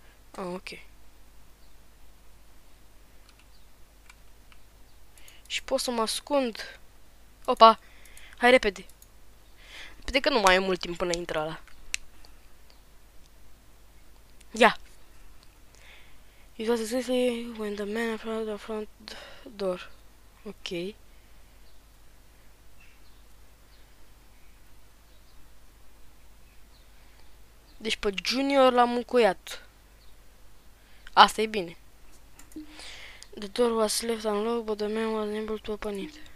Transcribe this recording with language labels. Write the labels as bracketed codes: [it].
[ro] Ah, ok. Și pot să mă ascund. Opa! Hai repede! Repede că nu mai e mult timp până intră ăla. Ia! [en] It was exactly when the man approached the front door. Ok. [ro] Deci pe Junior l-am încuiat. Asta e bine. [en] The door was left unlocked, but the man was unable to open it.